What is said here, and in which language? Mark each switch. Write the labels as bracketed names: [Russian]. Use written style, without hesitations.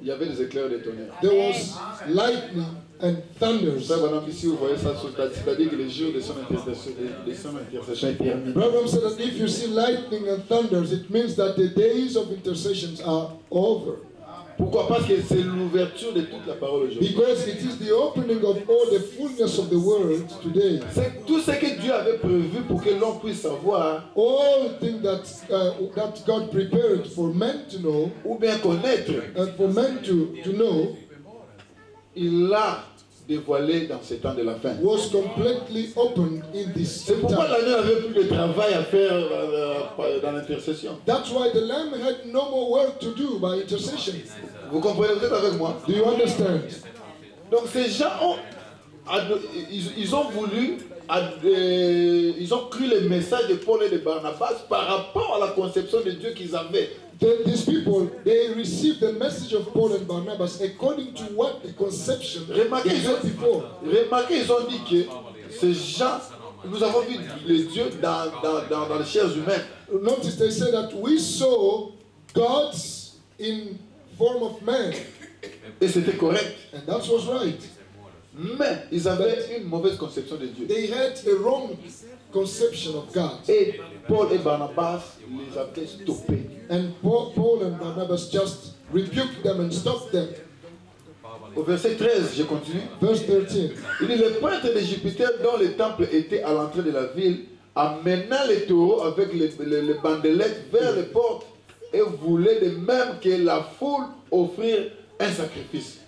[French] Il y avait des éclairs et des tonnerres. [English] There was lightning and thunders. [French] Vous voyez ça sur le c'est-à-dire que les jours de son intercession étaient terminés. [English] Brother said that if you see lightning and thunders, it means that the days of intercessions are over. [French] Pourquoi? Parce que c'est l'ouverture de toute la parole aujourd'hui. [English] Because it is the opening of all the fullness of the world today. [French] C'est tout ce que Dieu avait prévu pour que l'homme puisse savoir. [English] All things that that God prepared for men to know. [French] Ou bien connaître. [English] And for men to know. [French] Il l'a dévoilé dans ces temps de la fin. [English] Was completely opened in this time. [French] C'est pourquoi l'agneau n'avait plus de travail à faire dans l'intercession. [English] That's why the lamb had no more work to do by intercession. [French] Vous comprenez, vous êtes avec moi? [English] Do you understand? [French] Donc ces gens ont ils ont cru les messages de Paul et de Barnabas par rapport à la conception de Dieu qu'ils avaient. [English] These people, they received the message of Paul and Barnabas according to what the conception was before. [French] Remarquez, ils ont dit que ces gens, nous avons vu les dieux dans les chairs humaines. [English] Notice, they said that we saw gods in form of man. [French] Et c'était correct. [English] And that was right. [French] Mais ils avaient une mauvaise conception de Dieu. [English] They had a wrong conception of God. [French] Et Paul et Barnabas les avaient stoppés. [English] And Paul and Barnabas just rebuked them and stopped them. [French] Au verset 13, je continue. [English] Verse 13. [French] Il dit, les prêtres des Jupiters dont le temple était à l'entrée de la ville, amena les taureaux avec les bandelettes vers les portes et voulait de même que la foule offrir un sacrifice.